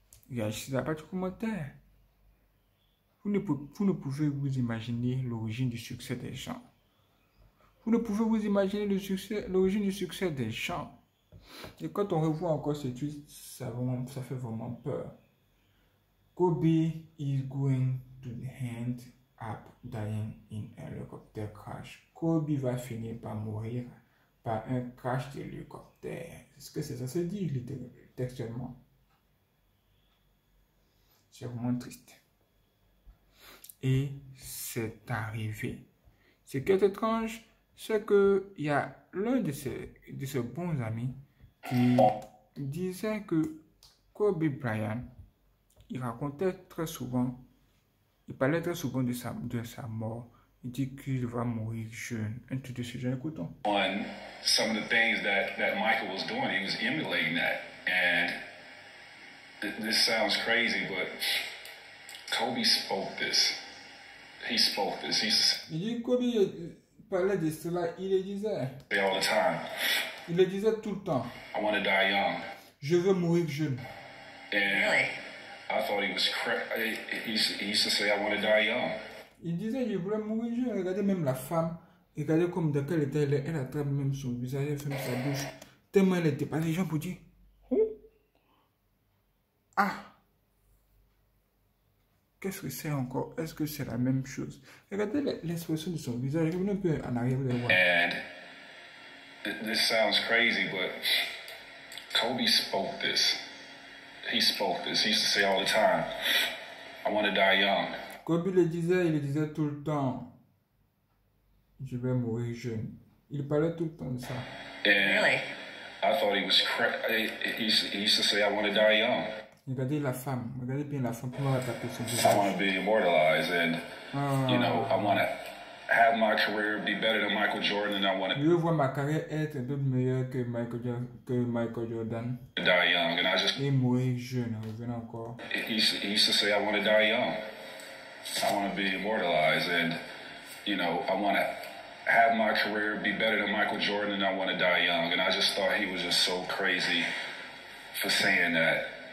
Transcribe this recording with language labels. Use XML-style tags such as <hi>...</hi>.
<fr>Réagissez à la partie commentaire. Vous ne pouvez vous imaginer l'origine du succès des gens. Vous ne pouvez vous imaginer le succès, l'origine du succès des gens. Et quand on revoit encore ce tweet, ça fait vraiment peur.</fr> <en>Kobe is going to end up dying in a helicopter crash.</en> <fr>Kobe va finir par mourir par un crash d'hélicoptère. Est-ce que c'est ça se dit textuellement? C'est vraiment triste. Et c'est arrivé. Ce qui est étrange, c'est que il y a l'un de ses bons amis qui disait que Kobe Bryant, il racontait très souvent Il parlait très souvent de sa mort. Il dit qu'il va mourir jeune. Un tout de suite, écoutons.</fr> <en>On some of the things that Michael was doing, he was emulating that. And this sounds crazy, but Kobe spoke this. He spoke this. He's...</en> <fr>Il dit Kobe parlait de cela, il le disait.</fr> <en>All the time.</en> <fr>Il le disait tout le temps.</fr> <en>I want to die young.</en> <fr>Je veux mourir jeune.</fr> <en>And really? I thought he was crazy. He used to say, I want to die young.</en> <fr>Il disait, je voulais mourir jeune. Regardez même la femme. Regardez comme de quel état elle est. Elle attrape même son visage, elle ferme sa bouche. Tellement elle était pas les gens pour dire. Ah! Qu'est-ce que c'est encore? Est-ce que c'est la même chose? Regardez l'expression de son visage. Revenez un peu en arrière, vous allez voir.</fr> <en>And this sounds crazy, but Kobe spoke this. He spoke this. He used to say all the time, I want to die young.</en> <fr>Kobe le disait, il le disait tout le temps. Je vais mourir jeune. Il parlait tout le temps de ça.</fr> <en>Really? I thought he was crazy. He used to say, I want to die young.</en> <fr>Regardez la femme. Regardez bien la femme. Comment elle a tapé son</fr> <en>visage. I want to be immortalized and, you know, I want to have my career be better than Michael Jordan and I want</en> <fr>to... Je veux voir ma carrière être un peu meilleure que Michael Jordan.</fr> <en>Die young and I just...</en> <fr>Et mourir jeune. Revenez encore.</fr> <en>He used to say, I want to die young. I want to be immortalized and, you know, I want to have my career be better than Michael Jordan and I want to die young. And I just thought he was just so crazy for saying that.</en>